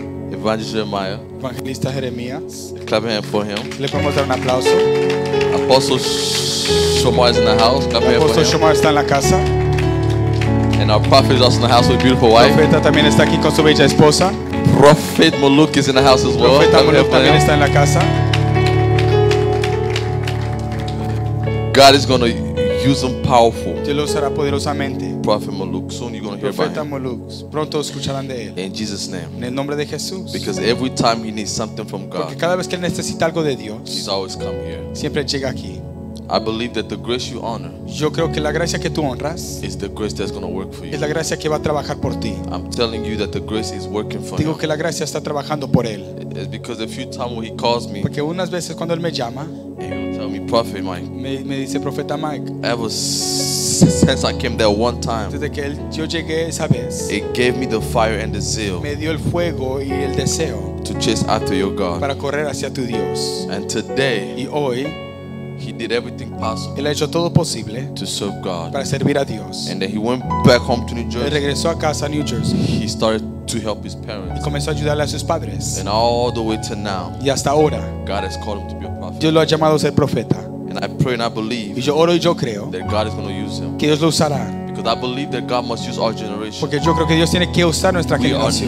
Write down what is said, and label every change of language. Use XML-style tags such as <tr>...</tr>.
<en>Evangelist Jeremiah.</en> <es>Evangelista Jeremías.</es> <en>Clap your hands for him.</en> <es>Le podemos dar un aplauso.</es> <en>Apostle Shomar is in the house. Come here.</en> <es>Apostle Shomar está en la casa.</es> <en>And our prophet is also in the house with a beautiful wife.</en> <es>Profeta también está aquí con su bella esposa.</es> <en>Prophet Maluk is in the house as well.</en> <es>Profeta Maluk también está en la casa.</es> <en>God is going to use them powerful.</en> <es>Dios lo usará poderosamente.</es> <en>Prophet Maluk, soon you're going to hear about him.</en> <es>Profeta Maluk, pronto escucharán de él.</es> <en>In Jesus' name.</en> <es>En el nombre de Jesús.</es> <en>Because every time he needs something from God.</en> <es>Porque cada vez que él necesita algo de Dios.</es> <en>He's always come here.</en> <es>Siempre llega aquí.</es> <en>I believe that the grace you honor.</en> <es>Yo creo que la gracia que tú honras.</es> <en>Is the grace that's going to work for you.</en> <es>Es la gracia que va a trabajar por ti.</es> <en>I'm telling you that the grace is working for.</en> <es>Digo que la gracia está trabajando por él.</es> <en>It's because a few times when he calls me.</en> <es>Porque unas veces cuando él me llama.</es> <en>Prophet Mike.</en> <es>Me dice Profeta Mike.</es> <en>Ever since I came there one time.</en> <es>Desde que yo llegué esa vez.</es> <en>It gave me the fire and the zeal.</en> <es>Me dio el fuego y el deseo.</es> <en>To chase after your God.</en> <es>Para correr hacia tu Dios.</es> <en>And today.</en> <es>Y hoy.</es> <en>He did everything possible.</en> <es>Él ha hecho todo posible.</es> <en>To serve God.</en> <es>Para servir a Dios.</es> <en>And then he went back home to New Jersey.</en> <es>Él regresó a casa, New Jersey.</es> <en>He started to help his parents.</en> <es>Y comenzó a ayudarle a sus padres.</es> <en>And all the way to now.</en> <es>Y hasta ahora.</es> <en>God has called him to be a prophet.</en> <es>Dios lo ha llamado a ser profeta.</es> <en>And I pray and I believe.</en> <es>Y yo oro y yo creo.</es> <en>That God is going to use him.</en> <es>Que Dios lo usará.</es> <en>Because I believe that God must use our generation.</en> <es>Porque yo creo que Dios tiene que usar nuestra generación.</es>